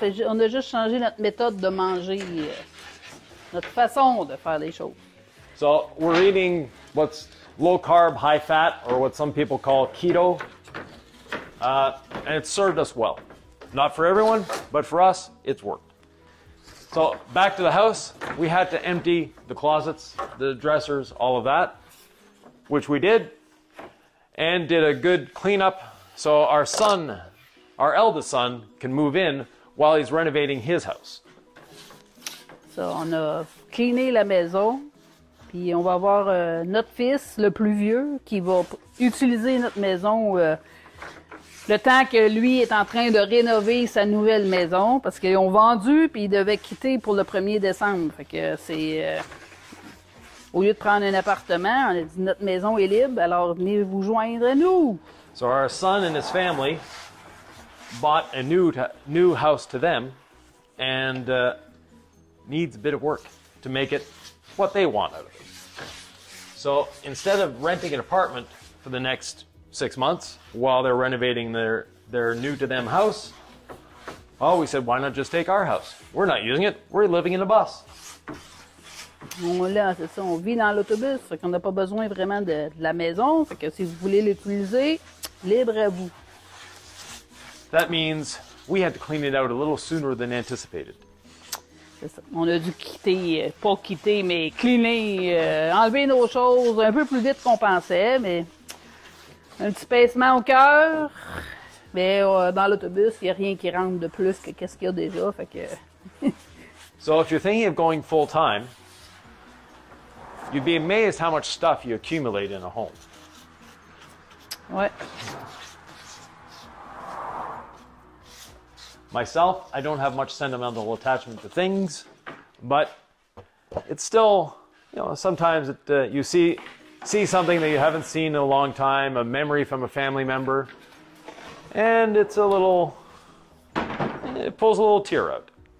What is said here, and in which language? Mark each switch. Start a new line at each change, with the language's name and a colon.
French: On a juste changé notre méthode de manger, notre façon de faire les choses.
English: So we're eating what's low carb, high fat, or what some people call keto, and it's served us well. Not for everyone, but for us, it's worked. So back to the house, we had to empty the closets, the dressers, all of that, which we did. And did a good cleanup so our son, our eldest son, can move in while he's renovating his house.
French: So on a cleané la maison, puis on va avoir notre fils, le plus vieux, qui va utiliser notre maison le temps que lui est en train de rénover sa nouvelle maison, parce qu'ils ont vendu, puis ils devaient quitter pour le 1er décembre. Fait que c'est... Au lieu de prendre un appartement, on a dit notre maison est libre, alors venez vous joindre à nous.
English: So our son and his family bought a new house to them and needs a bit of work to make it what they want out of it. So instead of renting an apartment for the next 6 months while they're renovating their new to them house, well, we said why not just take our house? We're not using it, we're living in a bus.
French: Là, c'est ça, on vit dans l'autobus, fait qu'on n'a pas besoin vraiment de la maison, fait que si vous voulez l'utiliser, libre à vous.
English: That means we had to clean it out a little sooner than anticipated.
French: C'est ça. On a dû quitter, pas quitter, mais cleaner, enlever nos choses un peu plus vite qu'on pensait, mais un petit pincement au cœur. Mais dans l'autobus, il n'y a rien qui rentre de plus que ce qu'il y a déjà, fait que...
English: So if you're thinking of going full time, you'd be amazed how much stuff you accumulate in a home.
French: Ouais.
English: Myself, I don't have much sentimental attachment to things, but it's still, you know, sometimes it, you see something that you haven't seen in a long time, a memory from a family member, and it's a little, it pulls a little tear out.